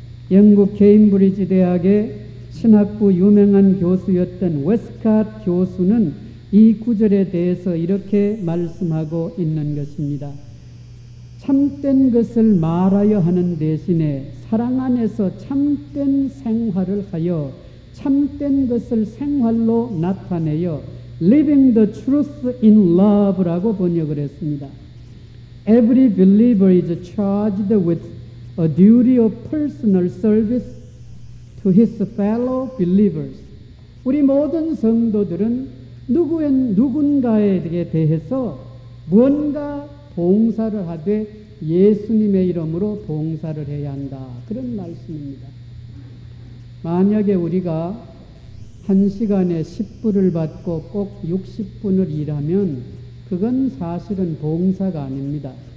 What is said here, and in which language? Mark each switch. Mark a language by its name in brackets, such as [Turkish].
[Korean] 영국 케임브리지 대학의 신학부 유명한 교수였던 웨스캇 교수는 이 구절에 대해서 이렇게 말씀하고 있는 것입니다. 참된 것을 말하여 하는 대신에 사랑 안에서 참된 생활을 하여 참된 것을 생활로 나타내어 [English] living the truth in love [Korean] 라고 번역을 했습니다. [English] Every believer is charged with a duty of personal service to his fellow believers. [Korean] 우리 모든 성도들은 누군가에게 대해서 뭔가 봉사를 하되 예수님의 이름으로 봉사를 해야 한다. 그런 말씀입니다. 만약에 우리가 1시간에 10불을 받고 꼭 60분을 일하면 그건 사실은 봉사가 아닙니다.